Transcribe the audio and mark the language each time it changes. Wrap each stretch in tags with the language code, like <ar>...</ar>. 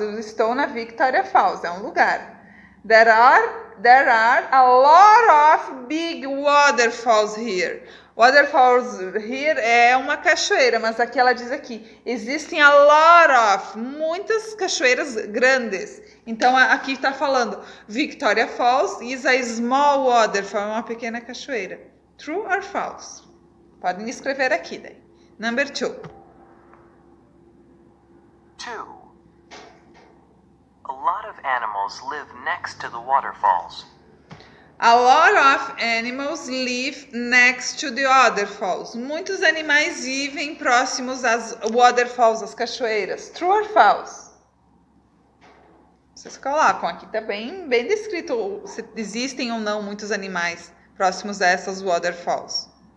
<pt>Eu estou na Victoria Falls, é um lugar.</pt> <en>There are a lot of big waterfalls here. Waterfalls here</en> <pt>é uma cachoeira, mas aqui ela diz aqui, existem</pt> <en>a lot of,</en> <pt>muitas cachoeiras grandes. Então, aqui está falando, Victoria Falls</pt> <en>is a small waterfall,</en> <pt>uma pequena cachoeira.</pt> <en>True or false?</en> <pt>Podem escrever aqui, daí.</pt> <en>Number two. Two. A lot of animals live next to the waterfalls. A lot of animals live next to the waterfalls.</en> <pt>Muitos animais vivem próximos às waterfalls, às cachoeiras.</pt> <en>True or false?</en> <pt>Vocês colocam aqui, tá bem, bem descrito se existem ou não muitos animais próximos a essas waterfalls.</pt>